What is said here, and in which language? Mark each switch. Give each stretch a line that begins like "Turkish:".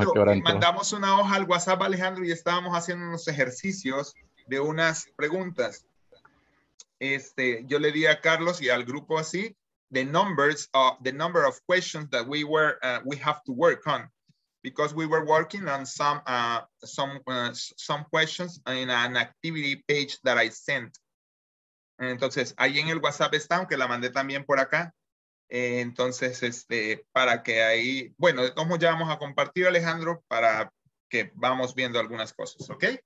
Spanish: Alejandro, mandamos una hoja al WhatsApp, Alejandro, y estábamos haciendo unos ejercicios de unas preguntas. Yo le di a Carlos y al grupo así,
English: the number of questions that we have to work on, because we were working on some questions in an activity page that I sent.
Spanish: Entonces, ahí en el WhatsApp está, aunque la mandé también por acá. Entonces, para que ahí, bueno, de todos modos ya vamos a compartir, Alejandro, para que vamos viendo algunas cosas, ¿ok?